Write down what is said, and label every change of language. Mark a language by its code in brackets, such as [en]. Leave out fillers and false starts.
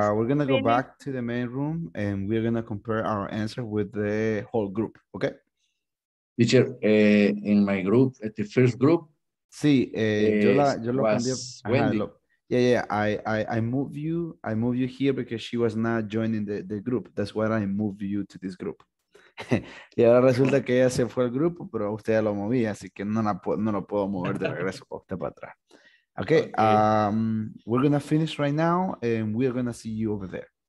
[en] We're gonna go back to the main room and we're gonna compare our answer with the whole group, okay? Teacher, in my group, at the first group. [es] Sí, yo lo cambié. [en] I moved you here because she was not joining the group. That's why I moved you to this group. [es] Y ahora resulta que ella se fue al grupo, pero usted ya lo moví, así que no lo puedo mover de regreso para usted para atrás. [en] Okay, we're going to finish right now and we're going to see you over there.